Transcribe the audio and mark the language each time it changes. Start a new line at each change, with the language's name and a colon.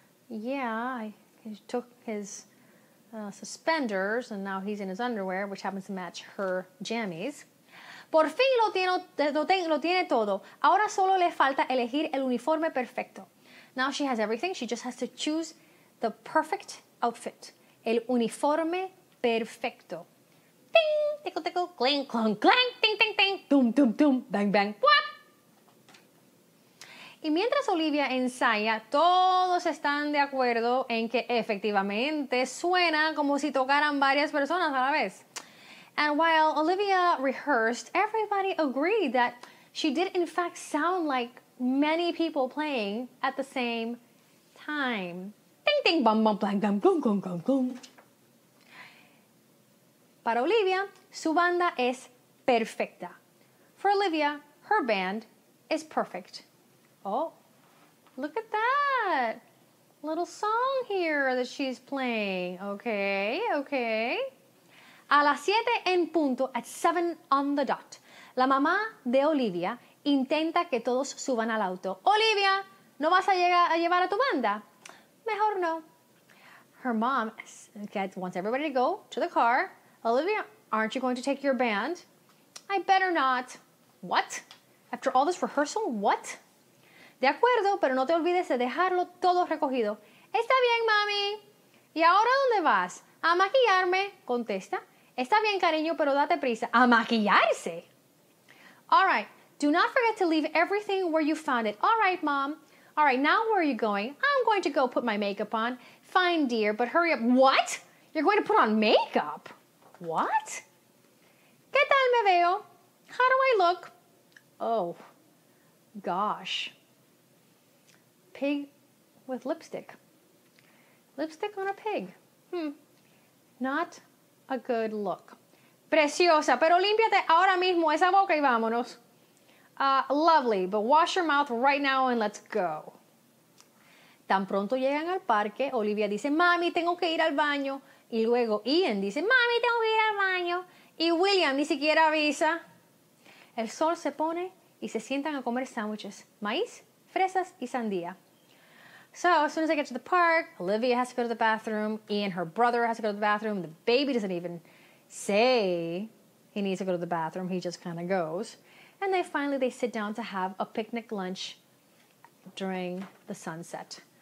English: He took his suspenders, and now he's in his underwear, which happens to match her jammies.
Spanish: Por fin lo tiene todo. Ahora solo le falta elegir el uniforme perfecto.
English: Now she has everything. She just has to choose the perfect outfit.
Spanish: El uniforme perfecto. Ding! Tickle, tickle, clang, clang, clang, ting, ting, ting, dum, dum, dum, bang, bang, whap! Y mientras Olivia ensaya, todos están de acuerdo en que efectivamente suena como si tocaran varias personas a la vez.
English: And while Olivia rehearsed, everybody agreed that she did in fact sound like many people playing at the same time. Ting, ting, bum, bum, blang, bang, gong, gong, gong, gong.
Spanish: Para Olivia, su banda es perfecta.
English: For Olivia, her band is perfect. Oh, look at that. Little song here that she's playing. Okay, okay.
Spanish: A las 7 en punto,
English: at 7 on the dot,
Spanish: la mamá de Olivia intenta que todos suban al auto. Olivia, ¿no vas a llevar a tu banda? Mejor no.
English: Her mom wants everybody to go to the car. Olivia, aren't you going to take your band? I better not. What? After all this rehearsal, what?
Spanish: De acuerdo, pero no te olvides de dejarlo todo recogido. Está bien, mami. ¿Y ahora dónde vas? A maquillarme, contesta. Está bien, cariño, pero date prisa. ¿A maquillarse?
English: All right, do not forget to leave everything where you found it. All right, mom. All right, now where are you going? I'm going to go put my makeup on. Fine, dear, but hurry up. What? You're going to put on makeup? What?
Spanish: ¿Qué tal me veo?
English: How do I look? Oh, gosh. Pig with lipstick. Lipstick on a pig. Not a good look.
Spanish: Preciosa, pero límpiate ahora mismo esa boca y vámonos.
English: Lovely, but wash your mouth right now and let's go.
Spanish: Tan pronto llegan al parque, Olivia dice, mami, tengo que ir al baño. Y luego Ian dice, mami, tengo que ir al baño. Y William ni siquiera avisa. El sol se pone y se sientan a comer sándwiches, maíz, fresas y sandía.
English: So, as soon as they get to the park, Olivia has to go to the bathroom. Ian, her brother, has to go to the bathroom. The baby doesn't even say he needs to go to the bathroom. He just kind of goes. And they finally, they sit down to have a picnic lunch during the sunset.